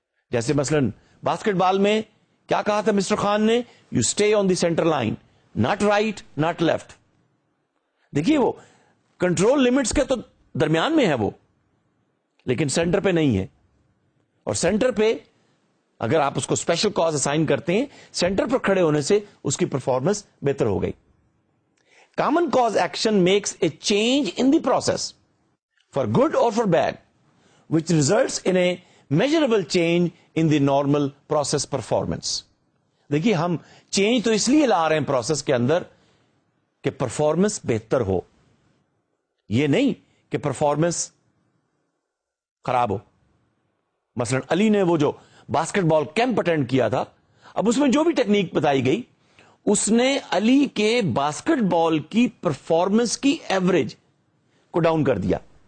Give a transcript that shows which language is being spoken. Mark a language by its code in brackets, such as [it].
[ur] جیسے مثلاً باسکٹ بال میں کیا کہا تھا مسٹر خان نے, [en] You stay on the centre line, not right not left. [ur] دیکھیے وہ کنٹرول لمٹس کے تو درمیان میں ہے وہ, لیکن سینٹر پہ نہیں ہے. اور سینٹر پہ اگر آپ اس کو اسپیشل کاز اسائن کرتے ہیں, سینٹر پر کھڑے ہونے سے اس کی پرفارمنس بہتر ہو گئی. [en] Common cause action makes a change in the process for good or for bad, which results in a measurable change in the normal process performance. [ur] دیکھیے ہم چینج تو اس لیے لا رہے ہیں پروسیس کے اندر کہ پرفارمنس بہتر ہو, یہ نہیں کہ پرفارمنس خراب ہو. مثلاً علی نے وہ جو باسکٹ بال کیمپ اٹینڈ کیا تھا. اب اس میں جو بھی ٹیکنیک بتائی گئی اس نے علی کے باسکٹ بال کی پرفارمنس کی ایوریج کو ڈاؤن کر دیا.